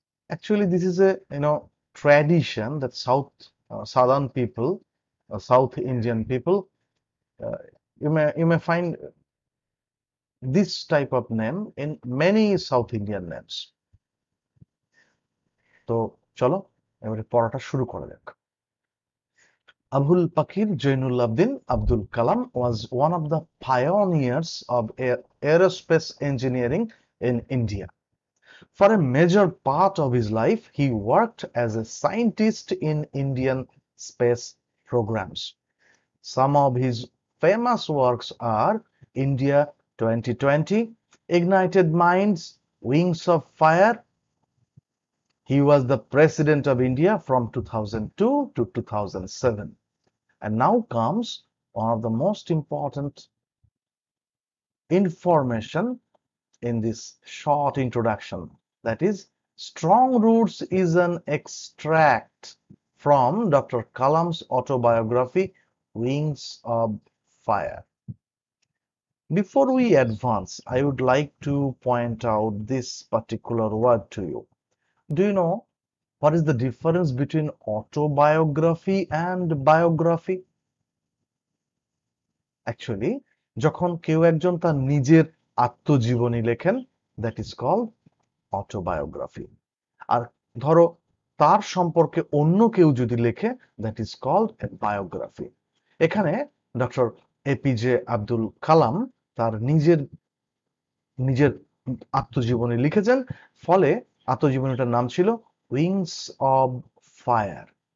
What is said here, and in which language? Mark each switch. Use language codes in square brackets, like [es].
[en] Actually this is a you know tradition that south southern people, south Indian people, you may find this type of name in many south Indian names. [bn] তো চলো এবারে পড়াটা শুরু করা যাক। [en] Avul Pakir Jainulabdeen Abdul Kalam was one of the pioneers of aerospace engineering in India. For a major part of his life, he worked as a scientist in Indian space programs. Some of his famous works are India 2020, Ignited Minds, Wings of Fire. He was the president of India from 2002 to 2007. And now comes one of the most important information in this short introduction, that is, Strong Roots is an extract from Dr. Kalam's autobiography, Wings of Fire. Before we advance, I would like to point out this particular word to you. Do you know what is the difference between autobiography and biography? [bn] Actually, যখন কেউ একজন তার নিজের আত্মজীবনী লেখেন, [en] That is call autobiography. [bn] আর ধরো তার সম্পর্কে অন্য কেউ যদি লেখে, [en] That is call biography. [bn] এখানে ডক্টর এপিজে আব্দুল কালাম তার নিজের নিজের আত্মজীবনী লিখেছেন, ফলে আত্মজীবনীটার নাম ছিল উইংস অব ফায়ার।